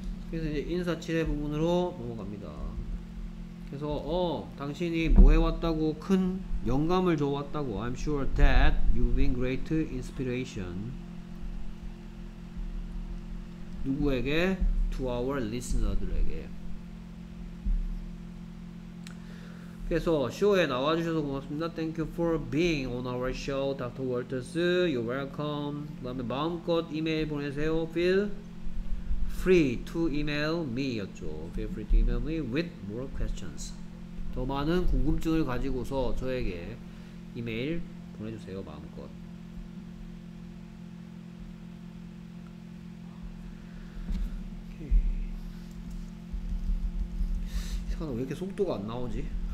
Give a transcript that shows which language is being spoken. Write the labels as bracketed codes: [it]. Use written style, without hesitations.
[ko] 그래서 이제 인사치레 부분으로 넘어갑니다. 그래서 어 당신이 뭐 해왔다고 큰 영감을 줘왔다고. [en] I'm sure that you've been great inspiration. [ko] 누구에게? [en] To our listener [ko] 들에게. 그래서 쇼에 나와주셔서 고맙습니다. [en] Thank you for being on our show, Dr. Walters. You're welcome. [ko] 그 다음에 마음껏 이메일 보내세요. [en] Feel free to email me [ko] 였죠. [en] Feel free to email me with more questions. [ko] 더 많은 궁금증을 가지고서 저에게 이메일 보내주세요. 마음껏. 오케이. 이상하다. 왜 이렇게 속도가 안 나오지?